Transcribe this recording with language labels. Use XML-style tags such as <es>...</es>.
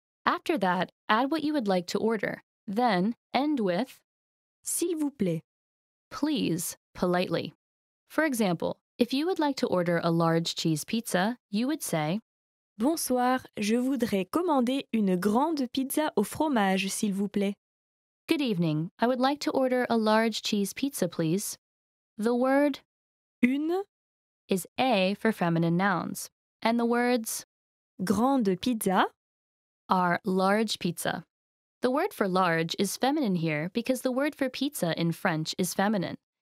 <en>After that, add what you would like to order. Then, end with</en> <fr>s'il vous plaît.</fr> <en>Please, politely. For example, if you would like to order a large cheese pizza, you would say</en> <fr>bonsoir, je voudrais commander une grande pizza au fromage, s'il vous plaît.</fr> <en>Good evening. I would like to order a large cheese pizza, please. The word</en> <fr>une</fr> <en>is a for feminine nouns. And the words</en> <fr>grande pizza</fr> <en>are large pizza. The word for large is feminine here because the word for pizza in French is feminine.</en>